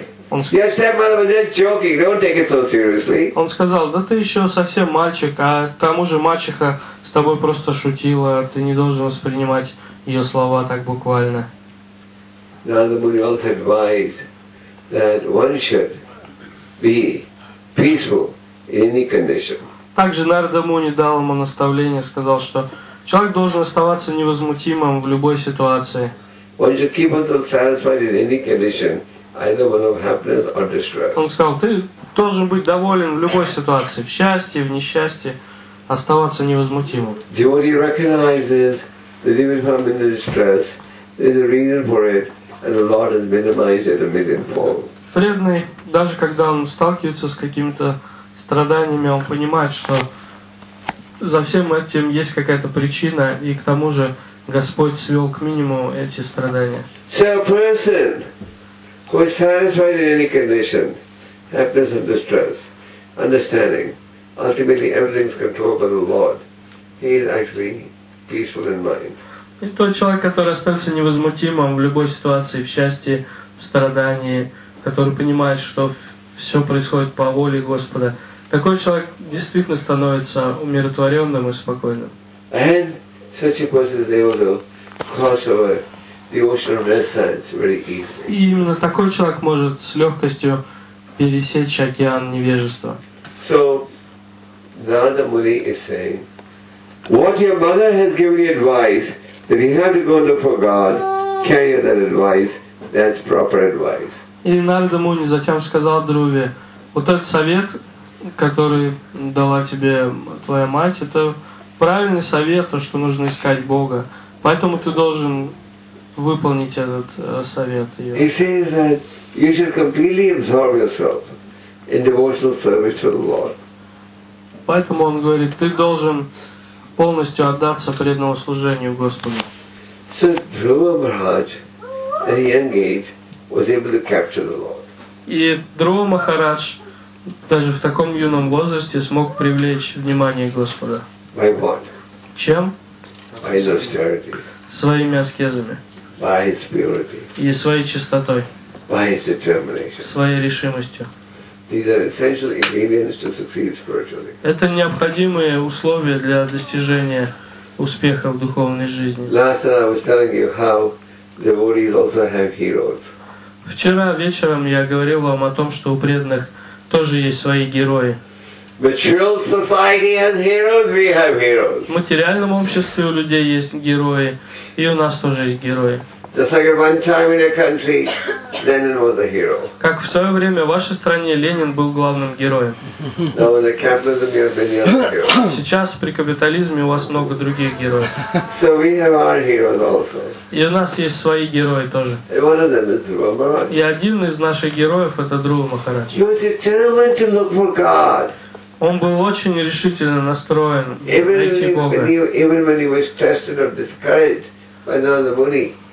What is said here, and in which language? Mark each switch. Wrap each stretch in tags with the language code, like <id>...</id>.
<ru>Он сказал, да ты еще совсем мальчик, а к тому же мачеха с тобой просто шутила, ты не должен воспринимать ее слова так буквально.</ru> <en>Narada Muni also advised that one should be peaceful in any condition.</en> <ru>Также Нарада Муни дал ему наставление, сказал, что человек должен оставаться невозмутимым в любой ситуации.</ru> <en>One should keep himself satisfied in any condition. Either one of happiness or distress.</en> <ru>Он сказал, ты должен быть доволен в любой ситуации, в счастье, в несчастье, оставаться невозмутимым.</ru> <en>Devotee recognizes that even if I'm in distress, there's a reason for it, and the Lord has minimized it a millionfold.</en> <ru>Преданный, даже когда он сталкивается с какими-то страданиями, он понимает, что за всем этим есть какая-то причина, и к тому же Господь свел к минимуму эти страдания.</ru> <en>So a person who is satisfied in any condition, happiness and distress, understanding, ultimately everything is controlled by the Lord, he is actually peaceful in mind.</en> <ru>И тот человек, который остается невозмутимым в любой ситуации, в счастье, в страдании, который понимает, что все происходит по воле Господа, такой человек действительно становится умиротворенным и спокойным.</ru> <en>And such a person is able to cross over the ocean of essence very easily.</en> <ru>И именно такой человек может с легкостью пересечь океан невежества.</ru> <en>So, Narada Muni is saying, what your mother has given you advice, that you have to go look for God, carry that advice, that's proper advice.</en> <ru>И Нарада Муни затем сказал Друве, вот этот совет, который дала тебе твоя мать, это правильный совет, то, что нужно искать Бога. Поэтому ты должен выполнить этот совет.</ru> <en>He says that you should completely absorb yourself in devotional service to the Lord.</en> <ru>Поэтому он говорит, ты должен полностью отдаться преданному служению Господу.</ru> <en>So Dhruva Maharaj, at a young age, was able to capture the Lord.</en> <ru>И Друва Махарадж даже в таком юном возрасте смог привлечь внимание Господа.</ru> <en>By what?</en> <ru>Чем?</ru> <en>By his austerity.</en> <ru>Своими аскезами.</ru> <en>By his purity.</en> <ru>И своей чистотой.</ru> <en>By his determination.</en> <ru>Своей решимостью.</ru> <en>These are essential ingredients to succeed spiritually.</en> <ru>Это необходимые условия для достижения успеха в духовной жизни.</ru> <en>Last night I was telling you how devotees also have heroes.</en> <ru>Вчера вечером я говорил вам о том, что у преданных тоже есть свои герои.</ru> <en>Material society has heroes, we have heroes.</en> <ru>В материальном обществе у людей есть герои, и у нас тоже есть герои.</ru> <en>Just like at one time in a country, Lenin was a hero.</en> <ru>Как в свое время в вашей стране Ленин был главным героем.</ru> <en>Now in the capitalism, you have many other heroes.</en> <ru>Сейчас при капитализме у вас много других героев.</ru> <en>So we have our heroes also.</en> <ru>И у нас есть свои герои тоже.</ru> <en>And one of them is Dhruva Maharaj.</en> <ru>И один из наших героев это Друва Махарадж.</ru> <en>He was determined to look for God.</en> <ru>Он был очень решительно настроен найти Бога.</ru> <en>Even when he was tested or discouraged by another Muni.</en>